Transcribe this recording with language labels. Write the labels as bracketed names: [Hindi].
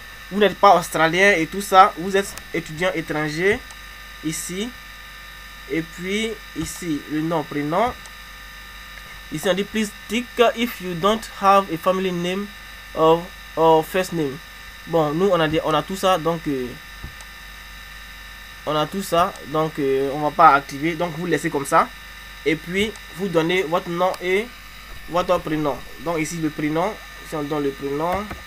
[French] Vous n'êtes pas australien et tout ça, vous êtes étudiant étranger ici. Et puis ici, le nom, prénom. Ici, on dit [English] please tick if you don't have a family name or first name. [French] Bon, nous on a des, on a tout ça, donc on va pas activer. Donc vous laissez comme ça. Et puis vous donnez votre nom et votre prénom. Donc ici le prénom, si on donne le prénom.